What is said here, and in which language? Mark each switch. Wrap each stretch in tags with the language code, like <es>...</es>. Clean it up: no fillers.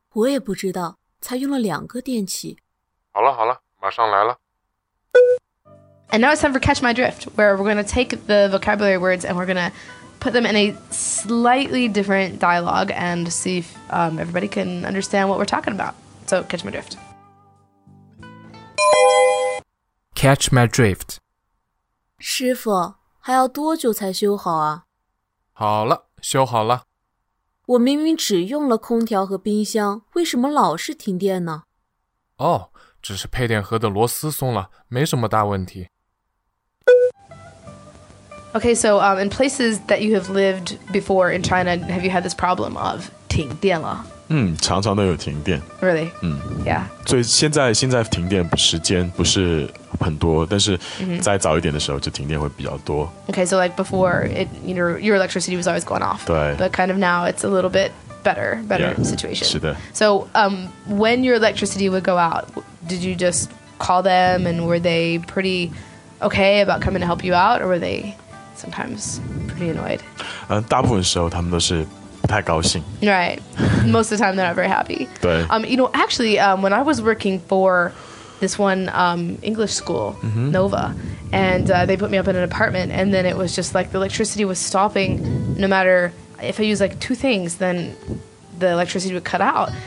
<zh>我也不知道，才用了两个电器。好了好了，马上来了。</zh> <en>And now it's time for Catch My Drift, where we're going to take the vocabulary words and we're going to put them in a slightly different dialogue and see if everybody can understand what we're talking about. So, Catch My Drift. Catch My Drift.</en> <zh>师傅。还要多久才修好啊？好了，修好了。我明明只用了空调和冰箱，为什么老是停电呢？哦，只是配电盒的螺丝松了，没什么大问题。</zh> <en>Okay, so in places that you have lived before in China, have you had this problem of</en> <zh>停电了？嗯，常常都有停电。</zh> <en>Really? 嗯，Yeah。</en> <zh>所以现在停电时间不是。很多，但是再早一点的时候就停电会比较多。</zh> <en>Okay, so like before, it, you know, your electricity was always going off.</en> <zh>对。</zh> <en>But kind of now, it's a little bit better yeah, situation.</en> <zh>是的。</zh> <en>So, when your electricity would go out, did you just call them and were they pretty okay about coming to help you out or were they sometimes pretty annoyed?</en> <zh>大部分时候他们都是不太高兴。</zh> <en>Right. Most of the time, they're not very happy.</en> <zh>对。</zh> <en>You know, actually, when I was working for... this one English school,、 mm-hmm. Nova, and they put me up in an apartment, and then it was just like the electricity was stopping no matter if I use like two things, then the electricity would cut out.、</en>